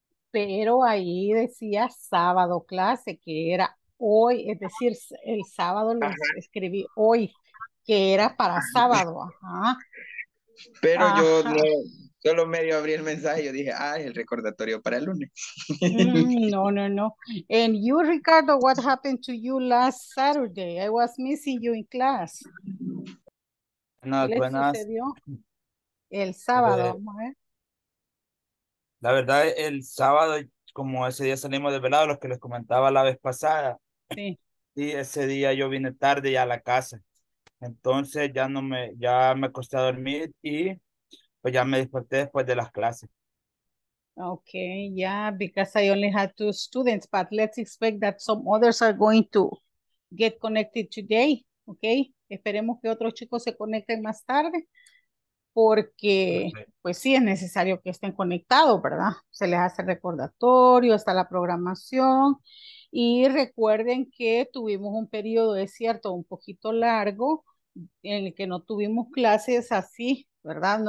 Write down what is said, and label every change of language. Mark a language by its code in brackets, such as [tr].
[es] pero ahí decía sábado clase, que era hoy, es decir, el sábado lo escribí hoy, que era para sábado, Pero yo no, solo medio abrí el mensaje y yo dije, ah, es el recordatorio para el lunes. No, no, no. [en] And you, Ricardo, what happened to you last Saturday? I was missing you in class. [es] ¿Qué Buenas, le buenas. sucedió? El sábado, vamos a ver. La verdad, el sábado, como ese día salimos desvelados, los que les comentaba la vez pasada, Sí. y ese día yo vine tarde ya a la casa. Entonces ya no me, ya me acosté a dormir y pues ya me desperté después de las clases. [en] Okay, yeah, because I only had two students, but let's expect that some others are going to get connected today. [es] Okay, esperemos que otros chicos se conecten más tarde. Porque, Perfecto. pues sí, es necesario que estén conectados, ¿verdad? Se les hace recordatorio, está la programación. Y recuerden que tuvimos un periodo, es cierto, un poquito largo, en el que no tuvimos clases así, ¿verdad?